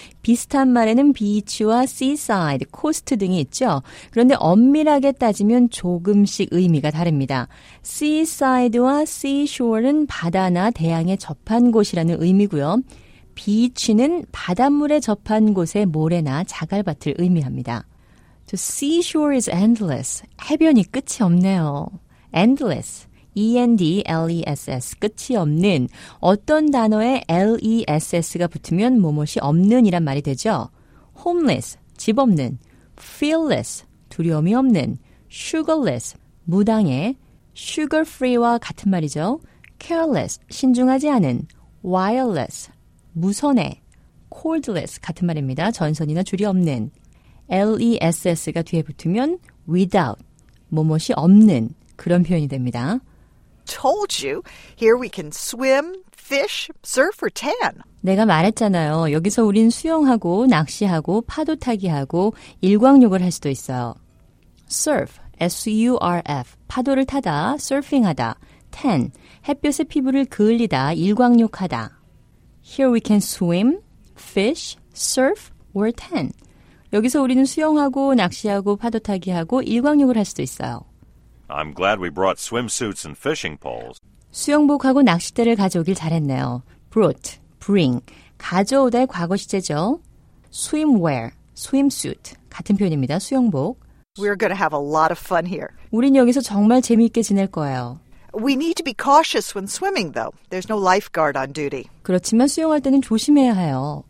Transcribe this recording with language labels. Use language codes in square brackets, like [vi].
[ko] 비슷한 말에는 beach와 seaside, coast 등이 있죠. 그런데 엄밀하게 따지면 조금씩 의미가 다릅니다. Seaside와 seashore은 바다나 대양에 접한 곳이라는 의미고요. beach는 바닷물에 접한 곳의 모래나 자갈밭을 의미합니다. [en] The seashore is endless. [ko] 해변이 끝이 없네요. Endless. E-N-D-L-E-S-S, 끝이 없는, 어떤 단어에 L-E-S-S가 붙으면 무엇이 없는이란 말이 되죠. Homeless, 집 없는, Fearless, 두려움이 없는, Sugarless, 무당의, Sugar-free와 같은 말이죠. Careless, 신중하지 않은, Wireless, 무선의, Cordless, 같은 말입니다. 전선이나 줄이 없는, L-E-S-S가 뒤에 붙으면 Without, 무엇이 없는, 그런 표현이 됩니다. [en] Told you, here we can swim, fish, surf, or tan. [ko] 내가 말했잖아요. 여기서 우린 수영하고 낚시하고 파도타기하고 일광욕을 할 수도 있어요. Surf, S-U-R-F, 파도를 타다, surfing하다, tan, 햇볕에 피부를 그을리다, 일광욕하다. [en] Here we can swim, fish, surf, or tan. [ko] 여기서 우리는 수영하고 낚시하고 파도타기하고 일광욕을 할 수도 있어요. [en] I'm glad we brought swimsuits and fishing poles. [ko] 수영복하고 낚싯대를 가져오길 잘했네요. Brought, bring, 가져오다의 과거시제죠. Swimwear, swimsuit, 같은 표현입니다. 수영복. [en] We're going to have a lot of fun here. [ko] 우린 여기서 정말 재미있게 지낼 거예요. [en] We need to be cautious when swimming, though. There's no lifeguard on duty. [ko] 그렇지만 수영할 때는 조심해야 해요.